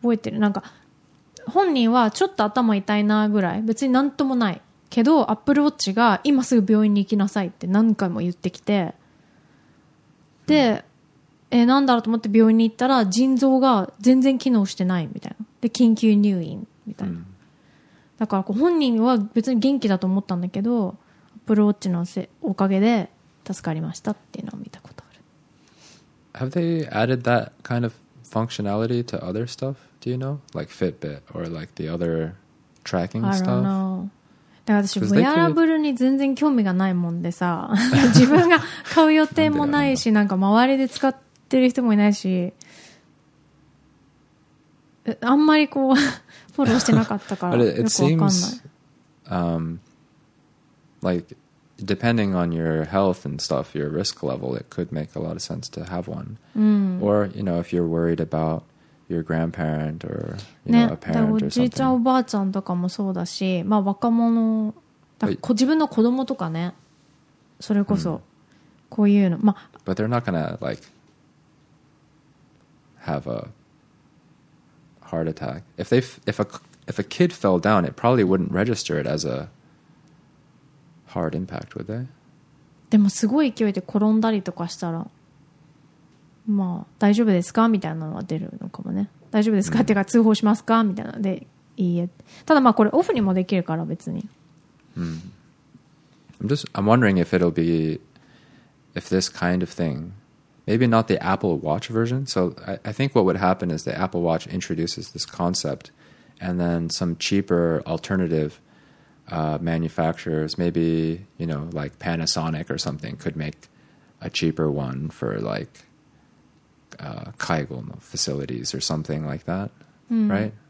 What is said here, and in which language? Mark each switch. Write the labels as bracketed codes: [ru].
[ja] 覚えてる。なんか本人はちょっと頭痛いなぐらい、別になんともないけど、アップルウォッチが今すぐ病院に行きなさいって何回も言ってきて、で、うん、なんだろうと思って病院に行ったら腎臓が全然機能してないみたいな、で緊急入院みたいな、うん、だからこう本人は別に元気だと思ったんだけど、アップルウォッチのおかげで助かりましたっていうのを見たことある。 [en] Have they added that kind of functionality to other stuff? Do you know? Like Fitbit or like the other tracking stuff? I don't know. [ja] だから私ウェアラブルに全然興味がないもんでさ、自分が買う予定もないし、なんか周りで使ってる人もいないし、あんまりこうフォローしてなかったからよくわかんない。 [en] Like depending on your health and stuff, your risk level, it could make a lot of sense to have one. Or you know, if you're worried aboutYour grandparent or you know, a parent or something. [ja] おじいちゃんおばあちゃんとかもそうだし、まあ若者あ、自分の子供とかね、それこそこういうの、まあ、 [en] But they're not gonna like have a heart attack. If they if a kid fell down, it probably wouldn't register it as a heart impact, would they? [ja] でもすごい勢いで転んだりとかしたら、まあ大丈夫ですかみたいなのは出るのかもね。大丈夫ですか、mm-hmm. っていうか通報しますかみたいなので。いいえ。ただまあこれオフにもできるから別に。 Mm. [en] I'm wondering if it'll be if this kind of thing, maybe not the Apple Watch version. So I think what would happen is the Apple Watch introduces this concept, and then some cheaper alternative manufacturers, maybe you know like Panasonic or something, could make a cheaper one for like kaigo facilities or something like that, mm. right?